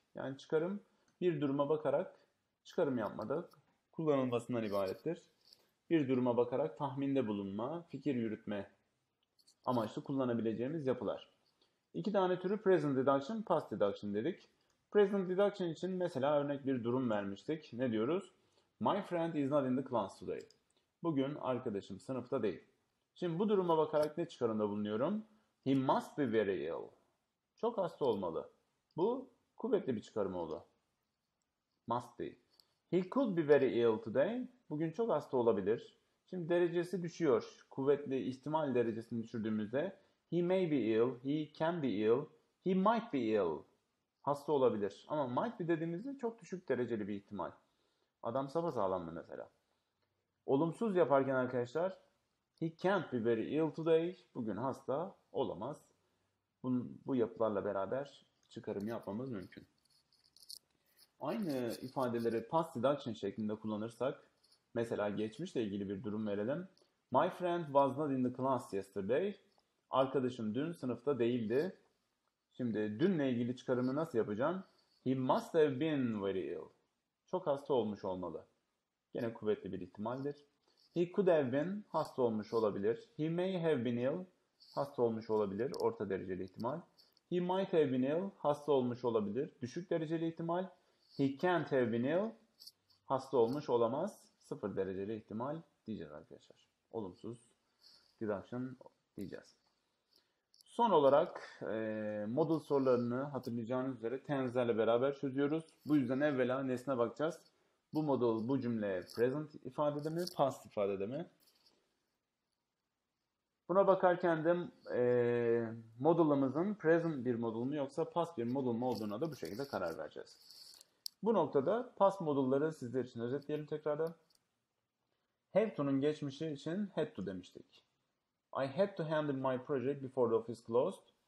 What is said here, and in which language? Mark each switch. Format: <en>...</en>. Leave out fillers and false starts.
<tr>Yani çıkarım bir duruma bakarak çıkarım yapmadık kullanılmasından ibarettir. Bir duruma bakarak tahminde bulunma, fikir yürütme amaçlı kullanabileceğimiz yapılar. İki tane türü present deduction, past deduction dedik. Present deduction için mesela örnek bir durum vermiştik. Ne diyoruz?</tr> <en>My friend is not in the class today.</en> <tr>Bugün arkadaşım sınıfta değil. Şimdi bu duruma bakarak ne çıkarımda bulunuyorum?</tr> <en>He must be very ill.</en> <tr>Çok hasta olmalı. Bu kuvvetli bir çıkarım oldu. Must be.</tr> <en>He could be very ill today.</en> <tr>Bugün çok hasta olabilir. Şimdi derecesi düşüyor. Kuvvetli ihtimal derecesini düşürdüğümüzde</tr> <en>he may be ill, he can be ill, he might be ill.</en> <tr>Hasta olabilir. Ama might be dediğimizde çok düşük dereceli bir ihtimal. Adam sapasağlam mı mesela? Olumsuz yaparken arkadaşlar</tr> <en>he can't be very ill today.</en> <tr>Bugün hasta olamaz. Bu yapılarla beraber çıkarım yapmamız mümkün. Aynı ifadeleri past deduction şeklinde kullanırsak, mesela geçmişle ilgili bir durum verelim.</tr> <en>My friend was not in the class yesterday.</en> <tr>Arkadaşım dün sınıfta değildi. Şimdi dünle ilgili çıkarımı nasıl yapacağım?</tr> <en>He must have been very ill.</en> <tr>Çok hasta olmuş olmalı. Gene kuvvetli bir ihtimaldir.</tr> <en>He could have been</en> <tr>hasta olmuş olabilir.</tr> <en>He may have been ill</en> <tr>hasta olmuş olabilir. Orta dereceli ihtimal.</tr> <en>He might have been ill</en> <tr>hasta olmuş olabilir. Düşük dereceli ihtimal.</tr> <en>He can't have been ill.</en> <tr>Hasta olmuş olamaz. Sıfır dereceli ihtimal diyeceğiz arkadaşlar. Olumsuz deduction diyeceğiz. Son olarak modal sorularını hatırlayacağınız üzere tenzerle beraber çözüyoruz. Bu yüzden evvela nesne bakacağız. Bu modal bu cümle present ifadede mi, past ifadede mi? Buna bakarken de modalımızın present bir modal mı yoksa past bir modal mı olduğuna da bu şekilde karar vereceğiz. Bu noktada past modulları sizler için özetleyelim tekrardan. Have to'nun geçmişi için had to demiştik.</tr> <en>I had to handle my project before the office closed.</en>